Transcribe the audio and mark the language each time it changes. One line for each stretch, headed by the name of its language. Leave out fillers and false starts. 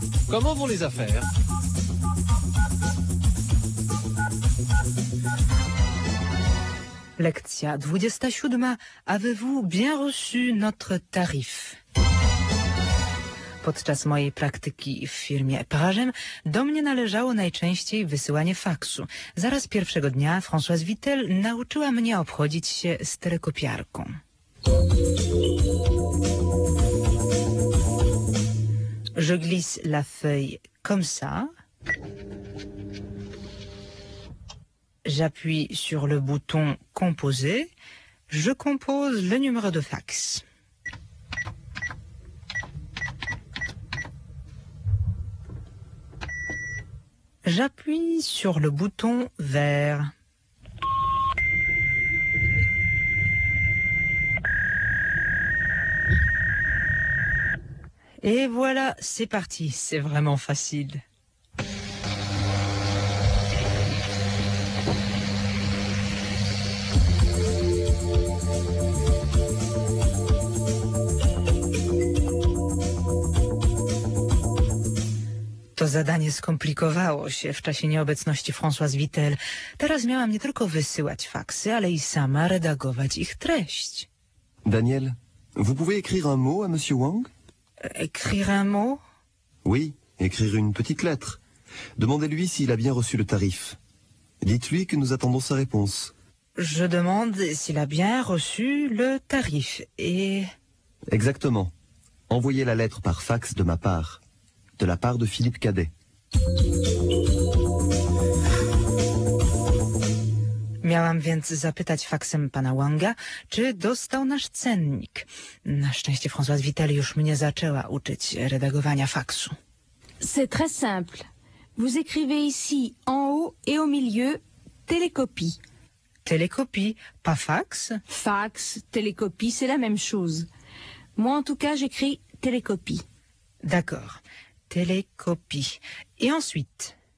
French: Comment vont les affaires ?
Polish: Lekcja 27.
French: Avez-vous bien reçu notre tarif ?
Polish: Podczas mojej praktyki w firmie Eparażem do mnie należało najczęściej wysyłanie faksu. Zaraz pierwszego dnia Françoise Vittel nauczyła mnie obchodzić się sterekopiarką.
French: Je glisse la feuille comme ça. J'appuie sur le bouton composer. Je compose le numéro de fax. J'appuie sur le bouton vert. Et voilà, c'est parti, c'est vraiment facile.
Polish: To zadanie skomplikowało się w czasie nieobecności Françoise Vittel. Teraz miałam nie tylko wysyłać faksy, ale i sama redagować ich treść.
French: Daniel, vous pouvez écrire un mot à monsieur Wang? Écrire un mot? Oui, écrire une petite lettre. Demandez-lui s'il a bien reçu le tarif. Dites-lui que nous attendons sa réponse. Je demande s'il a bien reçu le tarif et... Exactement. Envoyez la lettre par fax de ma part. De la part de Philippe Cadet.
Polish: Miałam więc zapytać faksem pana Wanga, czy dostał nasz cennik. Na szczęście Françoise Vittel już mnie zaczęła uczyć redagowania faksu.
French: C'est très simple. Vous écrivez ici, en haut et au milieu, télécopie. Télécopie, pas fax? Fax, télécopie, c'est la même chose. Moi, en tout cas, j'écris télécopie. D'accord. Télécopie. Et ensuite?